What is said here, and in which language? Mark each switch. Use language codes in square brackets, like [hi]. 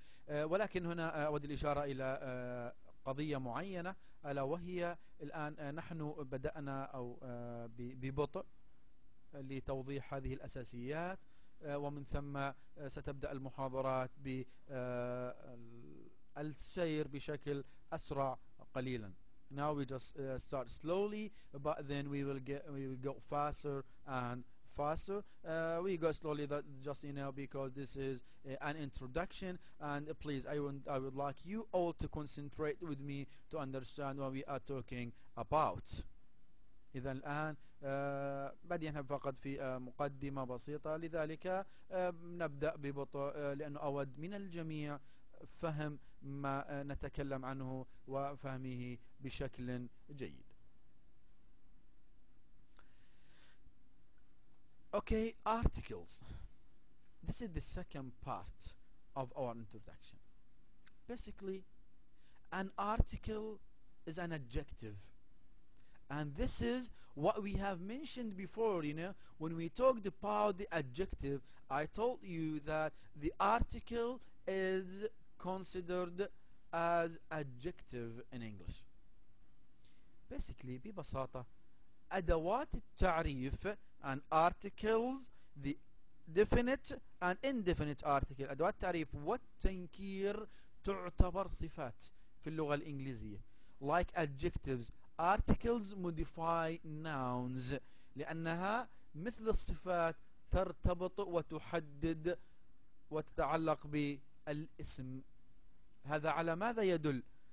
[ar] ولكن هنا أود الإشارة إلى قضية معينة, ألا وهي الآن نحن بدأنا أو ببطء لتوضيح هذه الأساسيات, ومن ثم ستبدأ المحاضرات بالسير بشكل أسرع قليلا. [en] Now we just start slowly, but then we will go faster and faster. We go slowly, that just, you know, because this is an introduction, and please I would like you all to concentrate with me to understand what we are talking about. إذن الآن بدينا فقط في مقدمة بسيطة, لذلك نبدأ ببطء لأنه أود من الجميع فهم ما نتكلم عنه وفهمه بشكل جيد. Okay, articles. This is the second part of our introduction. Basically, an article is an adjective. And this is what we have mentioned before, you know, when we talked about the adjective, I told you that the article is considered as adjective in English. [ar] Basically, ببساطة, أدوات التعريف [en] and articles, the definite and indefinite article, [ar] أدوات التعريف والتنكير تعتبر صفات في اللغة الإنجليزية. [en] Like adjectives, articles modify nouns, [ar] لأنها مثل الصفات ترتبط وتحدد وتتعلق بالاسم. هذا على ماذا يدل؟